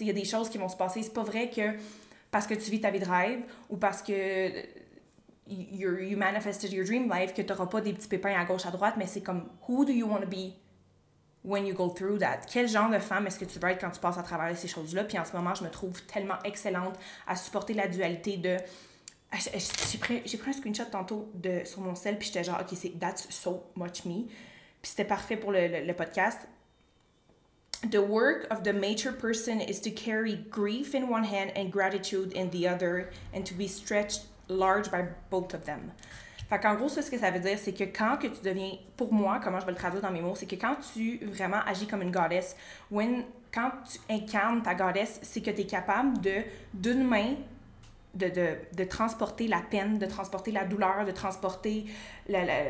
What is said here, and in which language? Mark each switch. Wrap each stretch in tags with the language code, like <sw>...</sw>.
<fr>Il y a des choses qui vont se passer. C'est pas vrai que parce que tu vis ta vie de rêve ou parce que</fr> <en>you manifested your dream life</en> <fr>que t'auras pas des petits pépins à gauche, à droite, mais c'est comme</fr> <en>who do you want to be when you go through that?</en> <fr>Quel genre de femme est-ce que tu veux être quand tu passes à travers ces choses-là? Puis en ce moment, je me trouve tellement excellente à supporter la dualité de... J'ai pris un screenshot tantôt sur mon cell, puis j'étais genre, OK, c'est</fr> <en>that's so much me.</en> <fr>Puis c'était parfait pour le podcast.</fr> <en>The work of the mature person is to carry grief in one hand and gratitude in the other and to be stretched large by both of them.</en> <fr>Fait qu'en gros, ce que ça veut dire, c'est que quand que tu deviens, pour moi, comment je vais le traduire dans mes mots, c'est que quand tu vraiment agis comme une goddess, quand tu incarnes ta goddess, c'est que tu es capable d'une main de transporter la peine, de transporter la douleur, de transporter your</fr>